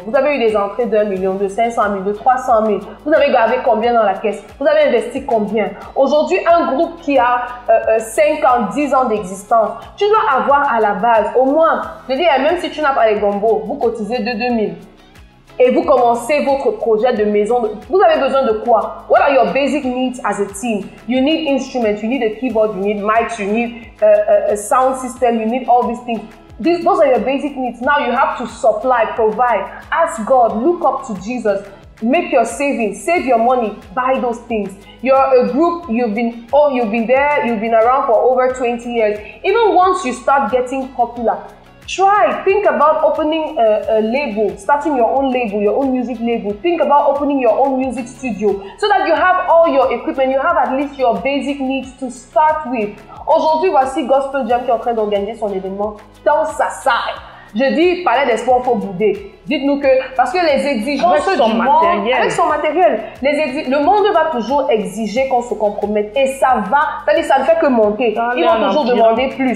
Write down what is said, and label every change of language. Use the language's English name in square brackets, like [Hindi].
[French] Vous avez eu des entrées d'un million, de 500 000, de 300 000. Vous avez gardé combien dans la caisse? Vous avez investi combien? Aujourd'hui, un groupe qui a 5 ans, 10 ans d'existence, tu dois avoir à la base, au moins, je veux dire, même si tu n'as pas les gombos, vous cotisez de 2 000. Et vous commencez votre projet de maison. Vous avez besoin de quoi? [English] What are your basic needs as a team? You need instruments, you need a keyboard, you need mics, you need a sound system, you need all these things. Those are your basic needs. Now you have to supply, provide, ask God, look up to Jesus, make your savings, save your money, buy those things. You're a group, you've been around for over 20 years. Even once you start getting popular, try, think about opening a label, starting your own label, your own music label. Think about opening your own music studio so that you have all your equipment, you have at least your basic needs to start with. [French] Aujourd'hui, voici Gospel Jam qui est en train d'organiser son événement dans sa salle. Je dis, palais d'espoir, faut bouder. Dites-nous que, parce que les exigences avec son du matériel. Monde, avec son matériel, le monde va toujours exiger qu'on se compromette. Et ça va, c'est-à-dire, ça ne fait que monter. Ils vont toujours demander plus.